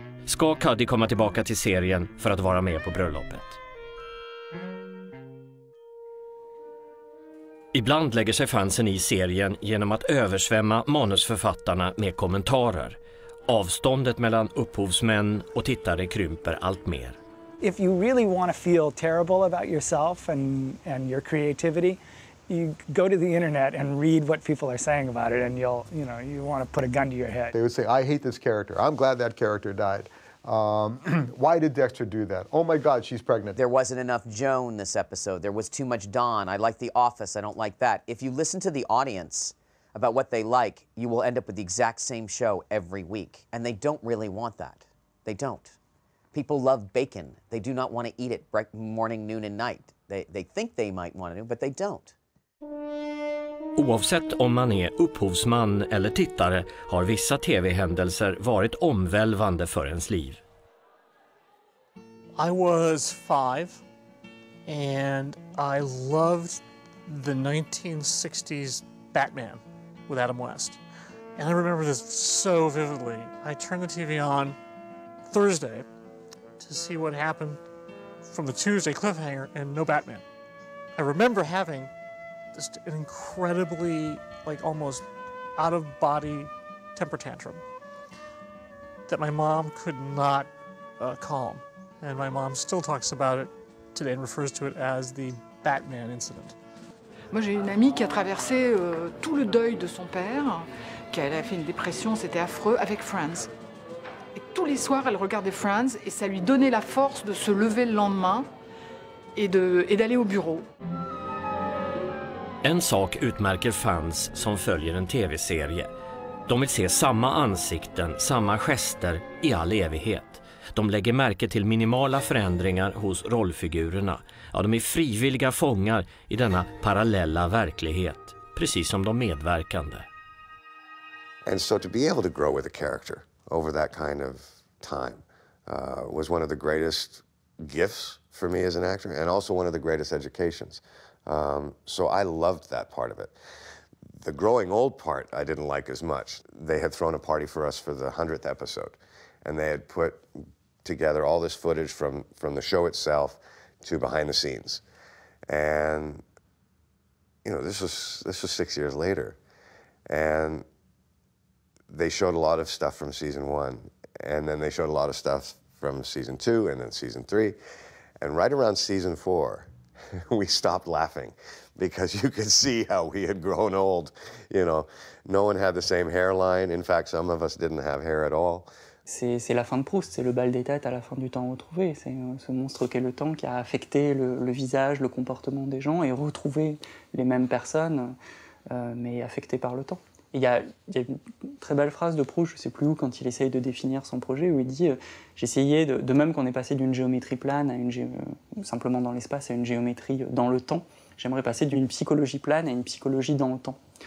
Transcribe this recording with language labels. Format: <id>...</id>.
<sv>Ska Cuddy komma tillbaka till serien för att vara med på bröllopet? Ibland lägger sig fansen i serien genom att översvämma manusförfattarna med kommentarer. Avståndet mellan upphovsmän och tittare krymper allt mer.</sv> <en>If you really want to feel terrible about yourself and your creativity, you go to the internet and read what people are saying about it, and you'll, you know, you want to put a gun to your head. They would say, I hate this character. I'm glad that character died. why did Dexter do that? Oh my God, she's pregnant. There wasn't enough Joan this episode. There was too much Dawn. I like The Office. I don't like that. If you listen to the audience about what they like, you will end up with the exact same show every week. And they don't really want that. They don't. People love bacon. They do not want to eat it morning, noon, and night. They think they might want to, but they don't.</en> <sv>Oavsett om man är upphovsman eller tittare har vissa TV-händelser varit omvälvande för ens liv.</sv> <en>I was 5 and I loved the 1960s Batman with Adam West. And I remember this so vividly. I turned the TV on Thursday to see what happened from the Tuesday cliffhanger and no Batman. I remember having just an incredibly, like, almost out-of-body temper tantrum that my mom could not calm. And my mom still talks about it today and refers to it as the Batman incident.</en> <fr>Moi, j'ai une amie qui a traversé tout le deuil de son père, qui a fait une dépression, c'était affreux, avec Friends. Et tous les soirs, elle regardait Friends et ça lui donnait la force de se lever le lendemain et d'aller au bureau.</fr> <sv>En sak utmärker fans som följer en tv-serie. De vill se samma ansikten, samma gester i all evighet. De lägger märke till minimala förändringar hos rollfigurerna. Ja, de är frivilliga fångar i denna parallella verklighet, precis som de medverkande.</sv> <en>And so to be able to grow with a character over that kind of time was one of the greatest gifts for me as an actor and also one of the greatest educations. So I loved that part of it. The growing old part I didn't like as much. They had thrown a party for us for the 100th episode, and they had put together all this footage from the show itself to behind the scenes. And, you know, this was 6 years later, and they showed a lot of stuff from season one, and then they showed a lot of stuff from season two and then season three. And right around season four, we stopped laughing because you could see how we had grown old. You know, no one had the same hairline. In fact, some of us didn't have hair at all.</en> <fr>C'est la fin de Proust, c'est le bal des têtes à la fin du temps retrouvé. C'est ce monstre qu'est le temps qui a affecté le visage, le comportement des gens et retrouvé les mêmes personnes, mais affectées par le temps. Il y a une très belle phrase de Proust, je ne sais plus où, quand il essaye de définir son projet, où il dit « J'essayais, de même qu'on est passé d'une géométrie plane à une simplement dans l'espace à une géométrie dans le temps, j'aimerais passer d'une psychologie plane à une psychologie dans le temps.</fr>